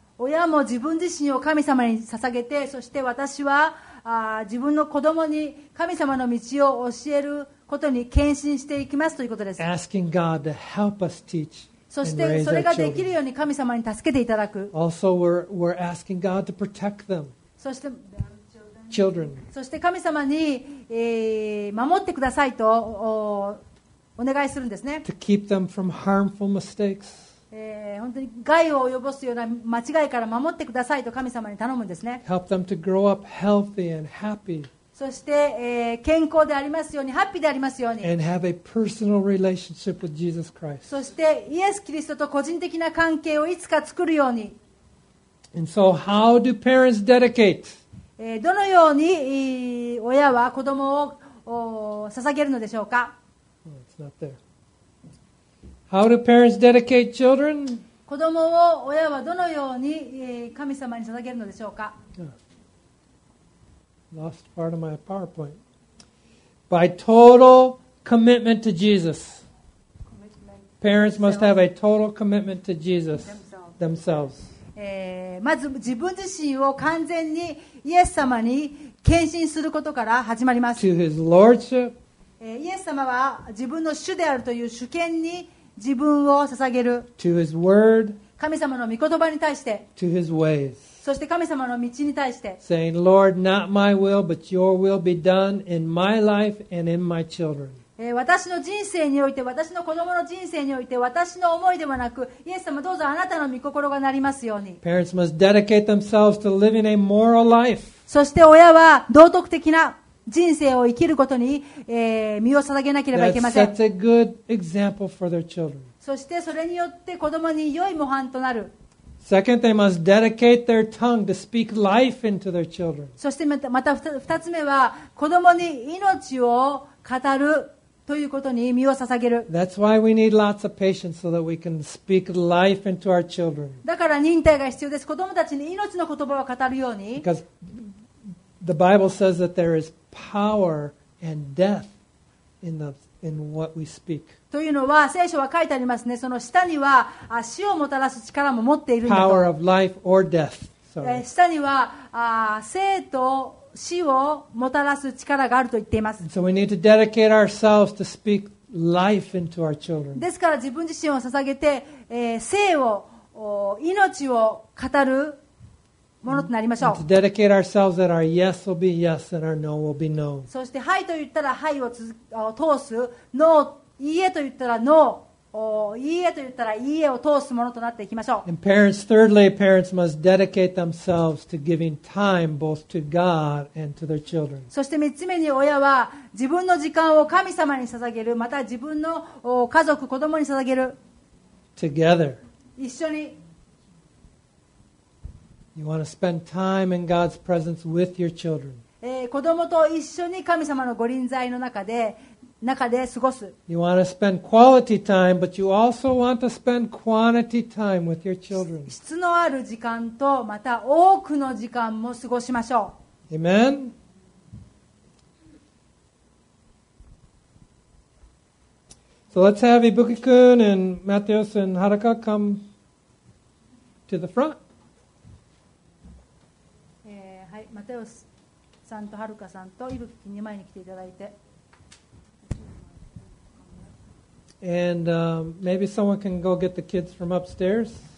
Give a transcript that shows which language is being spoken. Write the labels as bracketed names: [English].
[Japanese] 親も自分自身を神様に捧げて、そして私は自分の子供に神様の道を教えることに献身していきますということです。 [English] Asking God to help us teach and raise our children. [Japanese] そしてそれができるように神様に助けていただく。 [English] Also, we're asking God to protect them. [Japanese] そして [English] Children. [Japanese] そして神様に、守ってくださいと お願いするんですね。 [English] To keep them from harmful mistakes. [Japanese] 本当に害を及ぼすような間違いから守ってくださいと神様に頼むんですね。 [English] Help them to grow up healthy and happy. [Japanese] そして、健康でありますように、ハッピーでありますように。 [English] And have a personal relationship with Jesus Christ. [Japanese] そしてイエス・キリストと個人的な関係をいつか作るように。 [English] And so how do parents dedicate? [Japanese] どのように親は子供を捧げるのでしょうか。 [English] It's not there. How do parents dedicate children? [Japanese] 子供を親はどのように神様に捧げるのでしょうか。 [English] Lost part of my PowerPoint. By total commitment to Jesus. Parents must have a total commitment to Jesus themselves. [Japanese] まず自分自身を完全にイエス様に献身することから始まります。 [English] To his lordship. [Japanese] イエス様は自分の主であるという主権に自分を捧げる。 [English] To his word, [Japanese] 神様の御言葉に対して。 [English] To his ways, [Japanese] そして神様の道に対して。 [English] Saying, Lord, not my will, but your will be done in my life and in my children. [Japanese] 私の人生において、私の子供の人生において、私の思いではなく、イエス様どうぞあなたの御心がなりますように。 [English] Parents must dedicate themselves to living a moral life. [Japanese] そして親は道徳的な人生を生きることに、身を捧げなければいけません。 [English] That sets a good example for their children. [Japanese] そしてそれによって子供に良い模範となる。 [English] Second, they must dedicate their tongue to speak life into their children. [Japanese] そしてまた二つ目は子供に命を語るということに身を捧げる。 [English] That's why we need lots of patience so that we can speak life into our children. [Japanese] だから忍耐が必要です。子供たちに命の言葉を語るように。 [English] Because the Bible says that there is power and death in what we speak. [Japanese] というのは聖書は書いてありますね。その下には死をもたらす力も持っているんだと。 [English] Power of life or death. [Japanese] 下には生と死をもたらす力があると言っています。 [English] So we need to dedicate ourselves to speak life into our children. [Japanese] ですから自分自身を捧げて、生を命を語るものとなりましょう。 [English] And to dedicate ourselves that our yes will be yes and our no will be no. [Japanese] そしてはいと言ったらはいを通す、ノー、いいえと言ったらノー、いいえと言ったらいいえを通すものとなっていきましょう。 [English] And parents, thirdly, parents must dedicate themselves to giving time both to God and to their children. [Japanese] そして3つ目に親は自分の時間を神様に捧げる、また自分の家族、子供に捧げる。 [English] Together. [Japanese] 一緒に。 [English] You want to spend time in God's presence with your children. [Japanese] 子供と一緒に神様の御臨在の中で過ごす。 [English] You want to spend quality time, but you also want to spend quantity time with your children. [Japanese] 質のある時間とまた多くの時間も過ごしましょう。 [English] Amen. So let's have Ibuki-kun and Matheus and Haruka come to the front. [Japanese] マテオスさんとハルカさんとイブキに前に来ていただいて、 [English] And maybe someone can go get the kids from upstairs.